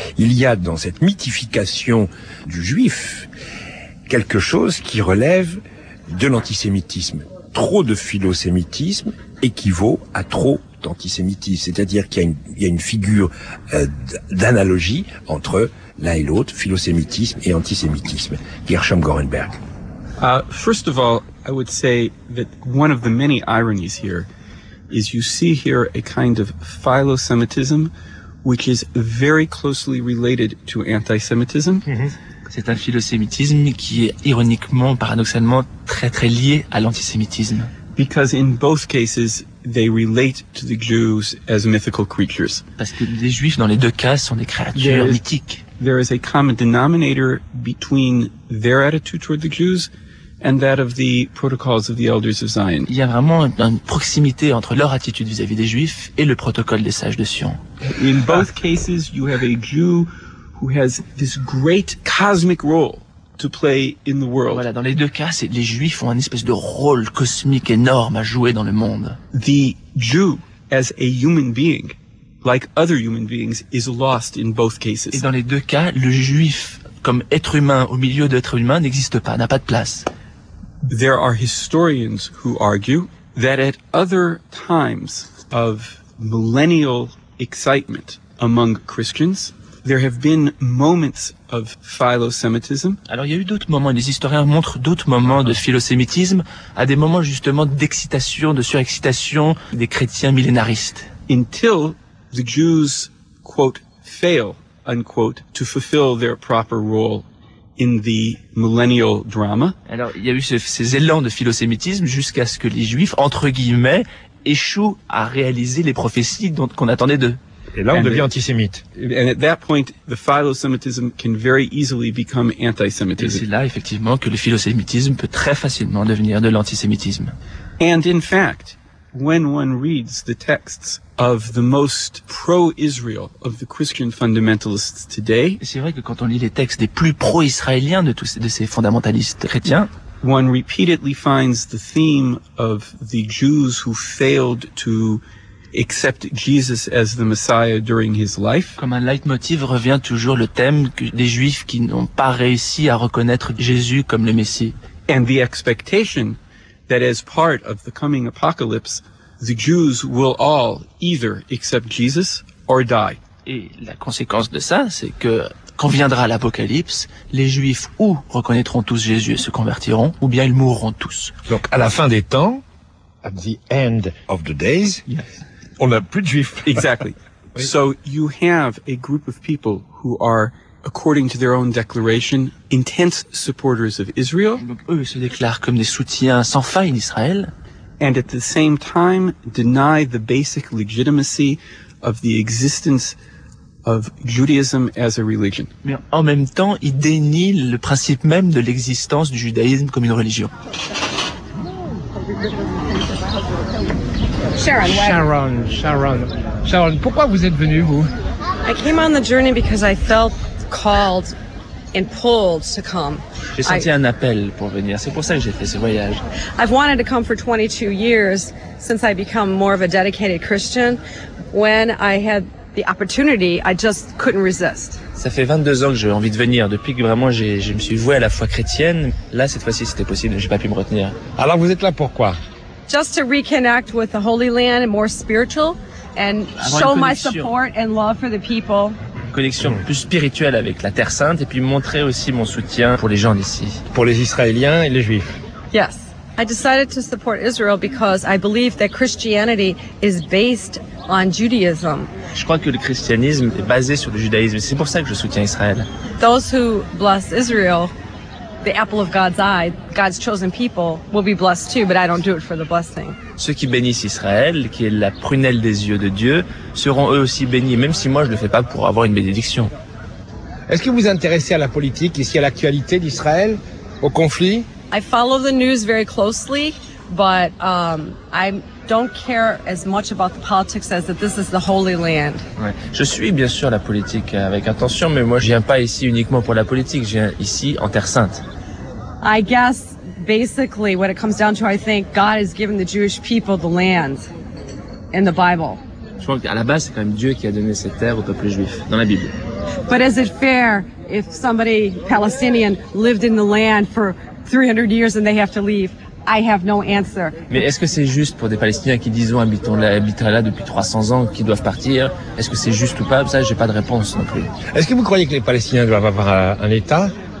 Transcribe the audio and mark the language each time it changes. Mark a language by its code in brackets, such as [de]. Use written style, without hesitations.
[fr] Il y a dans cette mythification du juif quelque chose qui relève de l'antisémitisme. Trop de philosémitisme équivaut à trop d'antisémitisme. C'est-à-dire qu'il y a une figure d'analogie entre l'un et l'autre, philosémitisme et antisémitisme. Gershom Gorenberg. [en] First of all, I would say that one of the many ironies here is you see here a kind of philo-Semitism, which is very closely related to anti-Semitism. Mm-hmm. [fr] C'est un philo-Sémitisme qui est ironiquement, paradoxalement, très très lié à l'antisémitisme. [en] Because in both cases, they relate to the Jews as mythical creatures. [fr] Parce que les Juifs, dans les deux cas, sont des créatures mythiques. [en] There is a common denominator between their attitude toward the Jews and that of the protocols of the elders of Zion. [fr] Il y a vraiment une proximité entre leur attitude vis-à-vis des Juifs et le protocole des sages de Sion. [en] In both cases, you have a Jew who has this great cosmic role to play in the world. [fr] Voilà, dans les deux cas, les Juifs ont une espèce de rôle cosmique énorme à jouer dans le monde. [en] The Jew as a human being, like other human beings, is lost in both cases. [fr] Et dans les deux cas, le juif comme être humain au milieu d'être humain n'existe pas, n'a pas de place. [en] There are historians who argue. that at other times of millennial excitement among Christians, there have been moments of philo-Semitism. [fr] Alors, il y a eu d'autres moments, les historiens montrent d'autres moments de philo-sémitisme à des moments justement d'excitation, de surexcitation des chrétiens millénaristes. [en] Until the Jews, quote, fail, unquote, to fulfill their proper role in the millennial drama. [fr] Alors, il y a eu ces élans de philo-sémitisme jusqu'à ce que les Juifs, entre guillemets, échouent à réaliser les prophéties dont, qu'on attendait d'eux. Et là, on devient antisémite. [en] And at that point, the philo-Semitism can very easily become anti-Semitism. [fr] Et c'est là, effectivement, que le philo-Sémitisme peut très facilement devenir de l'antisémitisme. [en] And in fact, when one reads the texts of the most pro-Israel of the Christian fundamentalists today, [fr] et c'est vrai que quand on lit les textes des plus pro-israéliens de tous ces fondamentalistes chrétiens, [en] one repeatedly finds the theme of the Jews who failed to accept Jesus as the Messiah during his life. [fr] Comme un leitmotiv revient toujours le thème des Juifs qui n'ont pas réussi à reconnaître Jésus comme le Messie. [en] And the expectation that as part of the coming apocalypse, the Jews will all either accept Jesus or die. [fr] Et la conséquence de ça, c'est que quand viendra l'apocalypse, les Juifs ou reconnaîtront tous Jésus et se convertiront, ou bien ils mourront tous. Donc à la fin des temps, [en] at the end of the days, yes. [fr] On n'a plus de Juifs. [en] Exactly. So you have a group of people who are, according to their own declaration, intense supporters of Israel. [fr] Donc eux se déclarent comme des soutiens sans faille d'Israël. [en] And at the same time, deny the basic legitimacy of the existence of Judaism as a religion. [fr] Mais en même temps, ils dénient le principe même de l'existence du judaïsme comme une religion. Sharon, pourquoi vous êtes venue, vous? [en] I came on the journey because I felt called and pulled to come. [fr] J'ai senti un appel pour venir. C'est pour ça que j'ai fait ce voyage. [en] I've wanted to come for 22 years since I became more of a dedicated Christian. When I had the opportunity, I just couldn't resist. [fr] Ça fait 22 ans que j'ai envie de venir. Depuis que vraiment je me suis voué à la foi chrétienne, là, cette fois-ci, c'était possible. J'ai pas pu me retenir. Alors, vous êtes là pourquoi? [en] Just to reconnect with the Holy Land and more spiritual and show my support and love for the people. [fr] Une connexion plus spirituelle avec la Terre Sainte et puis montrer aussi mon soutien pour les gens d'ici. Pour les Israéliens et les Juifs. [en] Yes. I decided to support Israel because I believe that Christianity is based on Judaism. [fr] Je crois que le christianisme est basé sur le judaïsme. C'est pour ça que je soutiens Israël. [en] Those who bless Israel, the apple of God's eye, God's chosen people, will be blessed too, but I don't do it for the blessing. [fr] Ceux qui bénissent Israël, qui est la prunelle des yeux de Dieu, seront eux aussi bénis, même si moi je ne le fais pas pour avoir une bénédiction. Est-ce que vous vous intéressez à la politique ici, à l'actualité d'Israël, au conflit? [en] I follow the news very closely, but I don't care as much about the politics as that this is the Holy Land. [fr] Ouais. Je suis bien sûr la politique avec attention, mais moi je viens pas ici uniquement pour la politique, je viens ici en Terre Sainte. [en] I guess basically what it comes down to, I think God has given the Jewish people the land in the Bible. [fr] Je crois qu'à la base c'est quand même Dieu qui a donné cette terre au peuple juif dans la Bible. [en] But is it fair if somebody Palestinian lived in the land for 300 years and they have to leave? I have no answer. [fr] Mais est-ce que c'est juste pour des Palestiniens qui disons habiteraient là depuis 300 ans qui doivent partir? Est-ce que c'est juste ou pas? Ça, j'ai pas de réponse non plus. Est-ce que vous croyez que les Palestiniens doivent avoir un État?